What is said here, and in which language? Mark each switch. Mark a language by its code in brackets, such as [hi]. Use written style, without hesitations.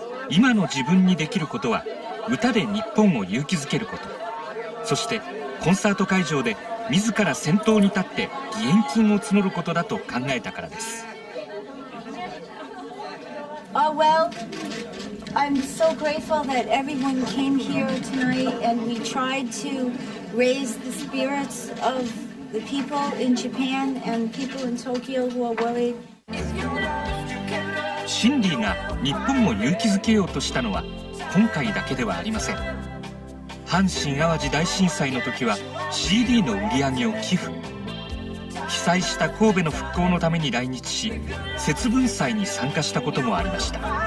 [ja] 今の自分にできることは歌で日本を勇気づけること、そしてコンサート会場で自ら先頭に立って義援金を募ることだと考えたからです。 [en] I'm so grateful that everyone came here tonight and we tried to raise the spirits of the people in Japan and people in Tokyo who are worried. [ja] シンディが日本を勇気づけようとしたのは今回だけではありません。阪神・淡路大震災の時は CD の売り上げを寄付、被災した神戸の復興のために来日し節分祭に参加したこともありました。